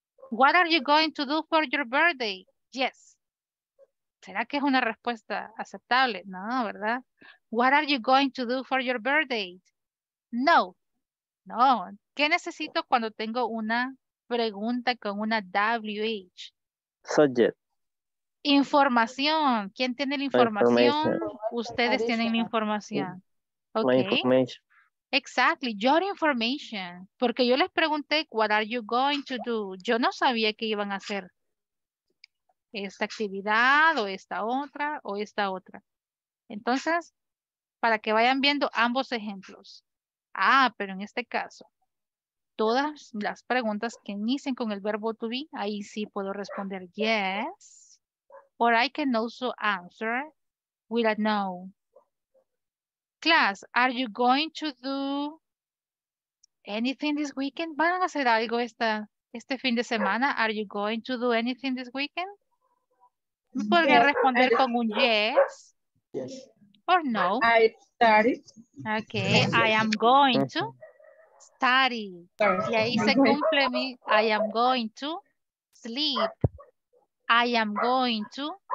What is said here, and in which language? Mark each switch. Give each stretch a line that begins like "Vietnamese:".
English: What are you going to do for your birthday? Yes.
Spanish: ¿Será que es una respuesta aceptable? No, ¿verdad?
English: What are you going to do for your birthday? No. No.
Spanish: ¿Qué necesito cuando tengo una pregunta con una WH?
English: Subject.
Spanish: Información. ¿Quién tiene la información? Ustedes tienen la información. Okay.
English: My information. Exactly. Your information.
Spanish: Porque yo les pregunté,
English: what are you going to do?
Spanish: Yo no sabía que iban a hacer esta actividad o esta otra o esta otra. Entonces, para que vayan viendo ambos ejemplos. Ah, pero en este caso, todas las preguntas que inicien con el verbo to be, ahí sí puedo responder yes.
English: Or I can also answer with a no. Class, are you going to do anything this weekend?
Spanish: ¿Van a hacer algo este fin de semana?
English: Are you going to do anything this weekend?
Spanish: ¿Me podría responder con un yes?
English: Yes. Or no? I study. Okay, I am going to study.
Spanish: Y ahí se cumple mi,
English: I am going to sleep. I am going to